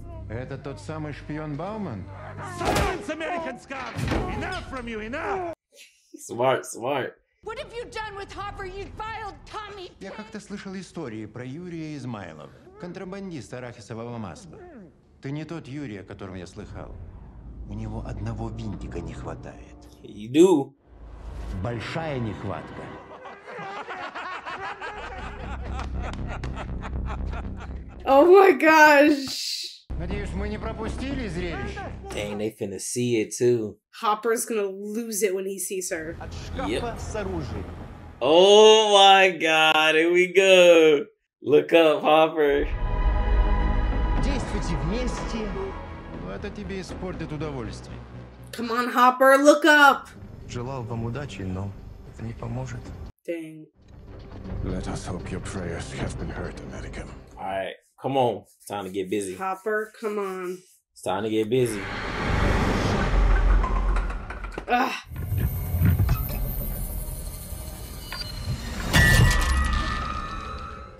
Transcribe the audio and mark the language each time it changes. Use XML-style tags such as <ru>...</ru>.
<ru>Это тот самый шпион Бауман.</ru> <en>Silence, American Scott! Enough from you, enough! Smart. What have you done with Hopper, you vile Tommy?</en> <ru>Я как-то слышал истории про Юрия Измайлова, контрабандиста арахисового масла. Ты не тот Юрий, о котором я слыхал. У него одного винтика не хватает. Иду. Большая нехватка.</ru> <en>О май гаш!</en> <ru>Надеюсь, мы не пропустили зрелище.</ru> <en>Dang, they finna see it too. Hopper's gonna lose it when he sees her. Yep. Oh my god, here we go. Look up, Hopper.</en> <ru>Действуйте вместе. Это тебе испортит удовольствие.</ru> <en>Come on, Hopper, look up.</en> <ru>Желал вам удачи, но это не поможет.</ru> <en>Dang. Let us hope your prayers have been heard, American. Alright. Come on, it's time to get busy. Hopper, come on. It's time to get busy. Ugh.</en>